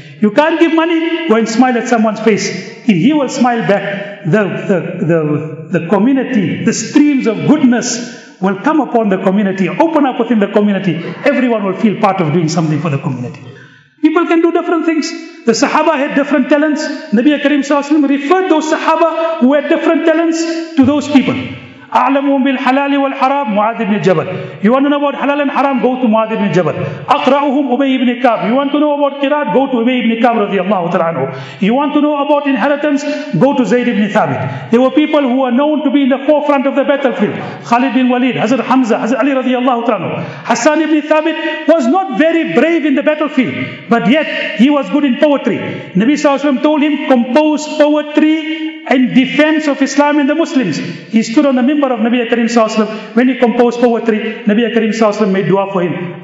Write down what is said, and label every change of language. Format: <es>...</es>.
<en>You can't give money, go and smile at someone's face. If he will smile back, the community, the streams of goodness will come upon the community, open up within the community. Everyone will feel part of doing something for the community. People can do different things. The Sahaba had different talents. Nabi Kareem Sallallahu Alaihi Wasallam referred those Sahaba who had different talents to those people.</en> <ar>أعلموا بالحلال والحرام معاذ بن جبل.</ar> <en>You want to know about halal and haram? Go to معاذ بن جبل.</en> <ar>أقرأهم أبي بن كعب.</ar> <en>You want to know about قراءة? Go to أبي بن كعب رضي الله تعالى عنه. You want to know about inheritance? Go to زيد بن ثابت. There were people who were known to be in the forefront of the battlefield.</en> <ar>خالد بن وليد, حضرت حمزة, حضرت علي رضي الله تعالى عنه.</ar> <en>حسان بن ثابت was not very brave in the battlefield, but yet he was good in poetry. النبي صلى الله عليه وسلم told him, compose poetry in defense of Islam and the Muslims. He stood on the member of Nabi Kareem Sallallahu Alaihi Wasallam. When he composed poetry, Nabi Kareem Sallallahu Alaihi Wasallam made dua for him.</en>